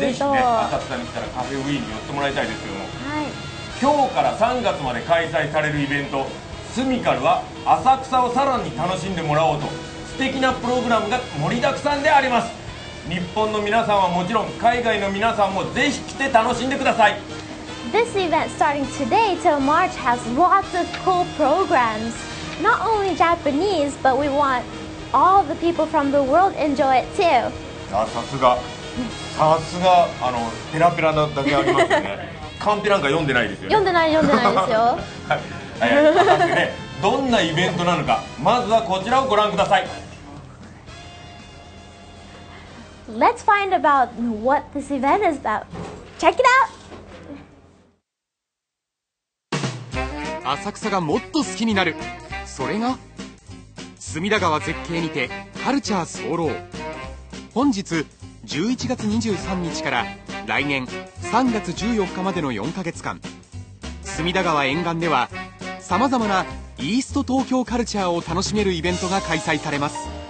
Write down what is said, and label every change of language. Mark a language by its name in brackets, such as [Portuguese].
[Japanese] ぜひね、浅草に来たらカフェウィーンに寄ってもらいたいですけども、はい、今日から3月まで開催されるイベント、スミカルは浅草をさらに楽しんでもらおうと素敵なプログラムが盛りだくさんであります。日本の皆さんはもちろん、海外の皆さんもぜひ来て楽しんでください。 [English] This event starting today till March has lots of cool programs. Not only Japanese, but we want all the people from the world enjoy it too. [Japanese] さすが、さすが、ペラペラなだけありますね。カンペなんか読んでないですよ、ね、読んでないですよ。はい、ね、どんなイベントなのか、まずはこちらをご覧ください。 [English] Let's find about what this event is about. Check it out! [Japanese] 浅草がもっと好きになる。それが隅田川絶景にてカルチャー総浪。本日11月23日から来年3月14日までの4ヶ月間、隅田川沿岸では様々なイースト東京カルチャーを楽しめるイベントが開催されます。